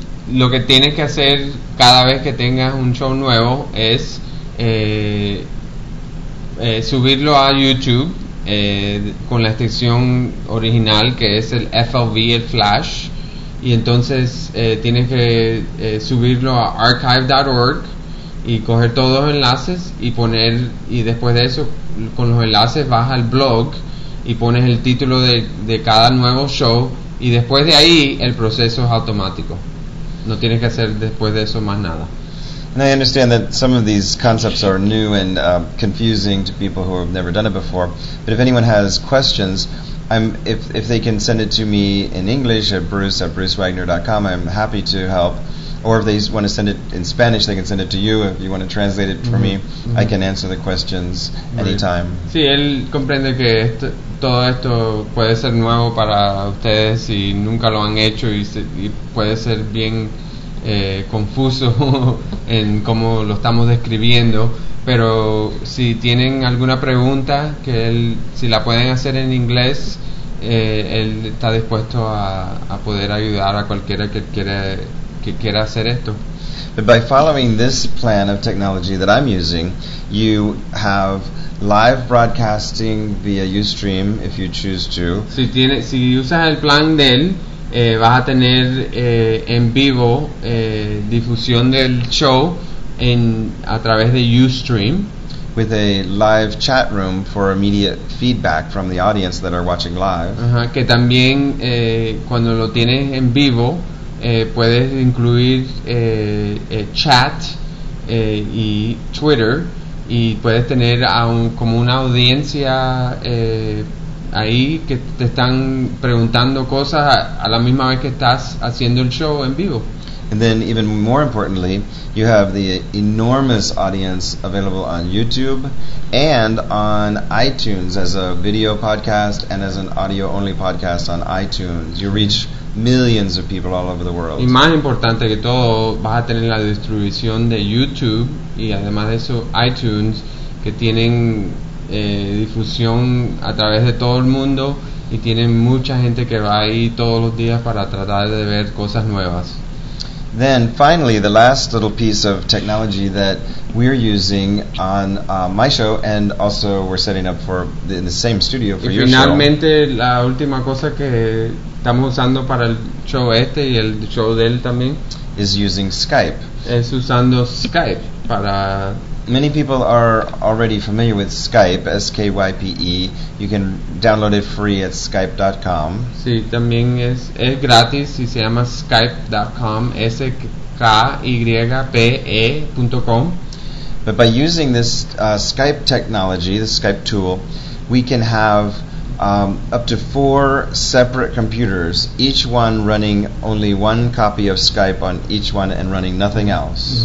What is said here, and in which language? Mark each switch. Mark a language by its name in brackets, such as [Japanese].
[Spanish] Lo que tienes que hacer cada vez que tengas un show nuevo es subirlo a YouTube con la extensión original que es el FLV, el Flash, y entonces tienes que subirlo a archive.org y coger todos los enlaces y después de eso con los enlaces vas al blog y pones el título de cada nuevo show, y después de ahí el proceso es automático, no tienes que hacer después de eso más nada. [English] And I understand that some of these concepts are new and confusing to people who have never done it before. But if anyone has questions, if they can send it to me in English at bruce@brucewagner.com, I'm happy to help. Or if they want to send it in Spanish, they can send it to you. If you want to translate it for mm-hmm. me, mm-hmm. I can answer the questions right. anytime. [Spanish] Sí, él comprende que todo esto puede ser nuevo para ustedes y nunca lo han hecho y puede ser bien confuso en cómo lo estamos describiendo, pero si tienen alguna pregunta que él, si la pueden hacer en inglés, él está dispuesto a poder ayudar a cualquiera que quiera hacer esto. [English] But by following this plan of technology that I'm using, you have live broadcasting via Ustream if you choose to. [Spanish] Si usas el plan de él, vas a tener en vivo difusión del show a través de Ustream [English] with a live chat room for immediate feedback from the audience that are watching live. Uh-huh. [Spanish] Que también cuando lo tienes en vivo puedes incluir chat y Twitter, y puedes tener como una audiencia ahí que te están preguntando cosas a la misma vez que estás haciendo el show en vivo. [English] And then even more importantly, you have the enormous audience available on YouTube and on iTunes as a video podcast and as an audio only podcast on iTunes. You reach millions of people all over the world. [Spanish] Y más importante que todo, vas a tener la distribución de YouTube y además de eso iTunes, que tienen difusión a través de todo el mundo y tienen mucha gente que va ahí todos los días para tratar de ver cosas nuevas. [English] Then finally, the last little piece of technology that we're using on my show, and also we're setting up for in the same studio for your show. [Spanish] Y finalmente la última cosa que estamos usando para el show este y el show de él también [English] is using Skype. [Spanish] Es usando Skype para. [English] Many people are already familiar with Skype, S-K-Y-P-E. You can download it free at skype.com. [Spanish] Sí, también es gratis y se llama skype.com, S-K-Y-P-E.com. [English] But by using this Skype technology, the Skype tool, we can have up to 4 separate computers, each one running only one copy of Skype on each one and running nothing else.